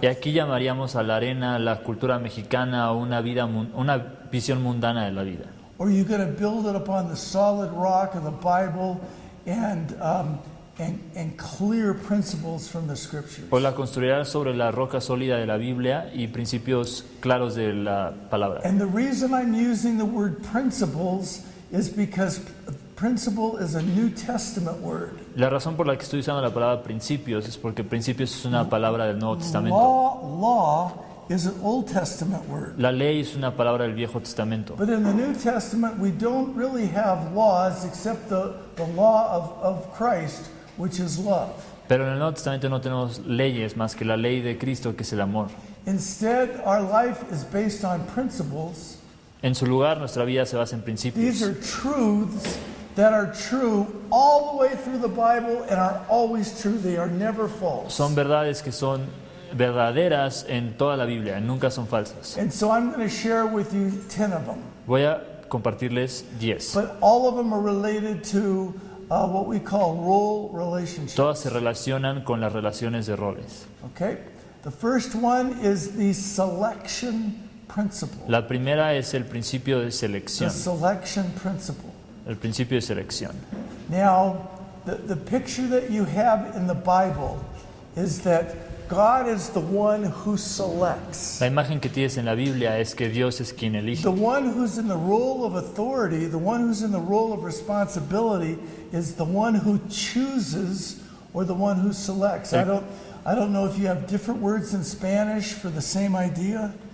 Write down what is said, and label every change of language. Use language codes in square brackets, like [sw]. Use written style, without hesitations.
[es] Y aquí llamaríamos a la arena la cultura mexicana o una visión mundana de la vida. [en] Or you're going to build it upon the solid rock of the Bible and clear principles from the scriptures. [es] O la construirás sobre la roca sólida de la Biblia y principios claros de la palabra. [en] And the reason I'm using the word principles is because principle is a New Testament word. [es] La razón por la que estoy usando la palabra principios es porque principios es una palabra del Nuevo Testamento. [en] Law is an Old Testament word. [es] La ley es una palabra del Viejo Testamento. [en] But in the New Testament we don't really have laws except the law of Christ, which is love. [es] Pero en el Nuevo Testamento no tenemos leyes más que la ley de Cristo, que es el amor. [en] Instead, our life is based on principles. [es] En su lugar, nuestra vida se basa en principios. [en] These are truths that are true all the way through the Bible and are always true. They are never false. [es] Son verdades que son verdaderas en toda la Biblia, nunca son falsas. [en] And so I'm going to share with you 10 of them. [es] Voy a compartirles 10. [en] But all of them are related to what we call role relationships. [es] Todas se relacionan con las relaciones de roles. [en] Okay. The first one is the selection principle. [es] La primera es el principio de selección. [en] The selection principle. [es] El principio de selección. [en] Now, the picture that you have in the Bible is that God is the one who selects. [es] La imagen que tienes en la Biblia es que Dios es quien elige. [en] The one who's in the role of authority, the one who's in the role of responsibility, is the one who chooses or the one who selects. I don't know if you have different words in Spanish for the same idea.